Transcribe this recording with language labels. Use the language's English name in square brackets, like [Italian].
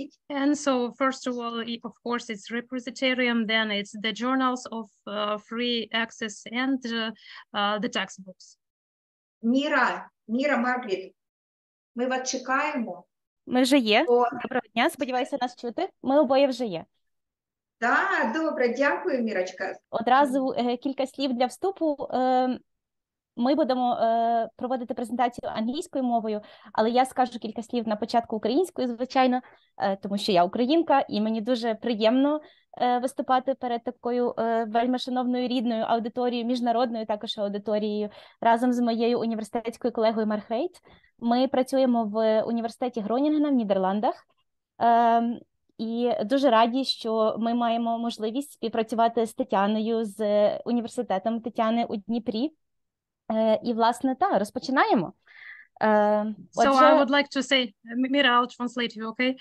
[English] And so, first of all, of course, it's repositorium, then it's the journals of free access and the textbooks. [Ukrainian] Міра, Міра Маргріт, ми вас чекаємо. Ми вже є. Доброго дня, сподіваюся нас чути. Ми обоє вже є. Так, добре, дякую, Мірочка. Одразу кілька слів для вступу. Ми будемо проводити презентацію англійською мовою, але я скажу кілька слів на початку українською, звичайно, тому що я українка, і мені дуже приємно виступати перед такою вельми шановною рідною аудиторією, міжнародною також аудиторією, разом з моєю університетською колегою Маргрейт. Ми працюємо в університеті Гронінгена в Нідерландах, і дуже раді, що ми маємо можливість співпрацювати з Тетяною, з університетом Тетяни у Дніпрі. І, власне, так, розпочинаємо. [English] So I would like to say, Mira, I'll translate you, okay?